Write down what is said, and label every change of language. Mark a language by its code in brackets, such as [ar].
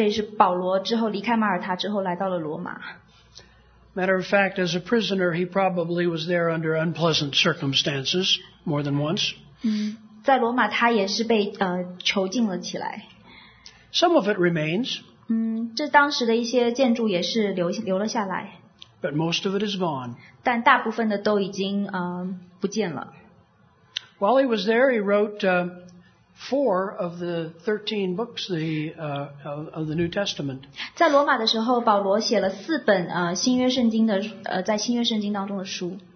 [zh] 这些照片都是在罗马的照片，对，是保罗之后离开马耳他之后来到了罗马。 [en] Matter of fact, as a prisoner, he probably was there under unpleasant circumstances more than once. [zh] 在罗马他也是被囚禁了起来。 [en] Some of it remains. [zh] 这当时的一些建筑也是留了下来。 [en] But most of it is gone. [zh] 但大部分的都已经不见了。 [en] While he was there, he wrote four of the 13 books of the New Testament. [zh] 在罗马的时候，保罗写了四本新约圣经的，在新约圣经当中的书。